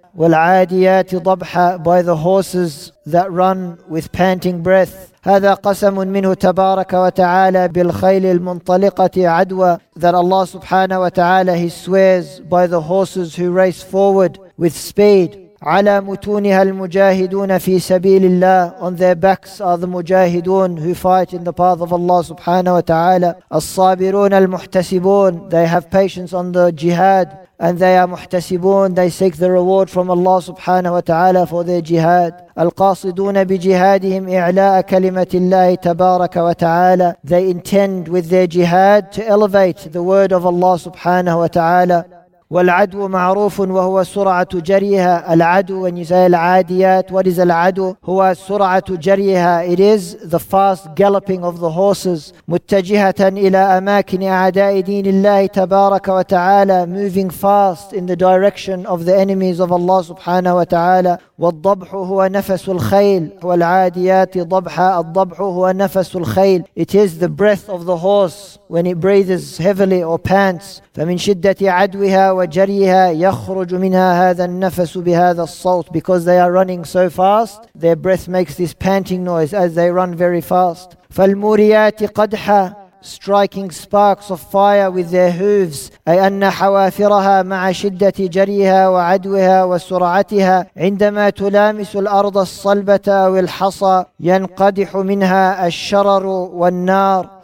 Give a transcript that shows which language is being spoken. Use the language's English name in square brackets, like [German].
[Arabic] والعاديات ضبحا [English] by the horses that run with panting breath [Arabic] هذا قسم منه تبارك وتعالى بالخيل المنطلقة عدوى [English] that Allah سبحانه وتعالى he swears by the horses who race forward with speed [Arabic] على متونها المجاهدون في سبيل الله [English] on their backs are the مجاهدون who fight in the path of Allah سبحانه وتعالى [Arabic] الصابرون المحتسبون [English] they have patience on the jihad And they are muhtasibun, they seek the reward from Allah subhanahu wa ta'ala for their jihad. [Arabic] القاصدون بجهادهم إعلاء كلمة الله تبارك وتعالى. [English] They intend with their jihad to elevate the word of Allah subhanahu wa ta'ala. [Arabic] والعدو معروف وهو سرعة جريها. [English] العدو, when you say العاديات, what is العدو? [Arabic] هو سرعة جريها. [English] It is the fast galloping of the horses. [Arabic] متجهة إلى أماكن أعداء دين الله تبارك وتعالى. [English] Moving fast in the direction of the enemies of Allah سبحانه وتعالى. [Arabic] والضبح هو نفس الخيل. والعاديات ضبحا. الضبح هو نفس الخيل. [English] It is the breath of the horse when it breathes heavily or pants. [Arabic] فمن شدة عدوها وجريها يخرج منها هذا النفس بهذا الصوت [English] because they are running so fast their breath makes this panting noise as they run very fast [Arabic] فالموريات قدحا [English] striking sparks of fire with their hooves [Arabic] أي أن حوافرها مع شدة جريها وعدوها وسرعتها عندما تلامس الأرض الصلبة أو الحصى ينقدح منها الشرر والنار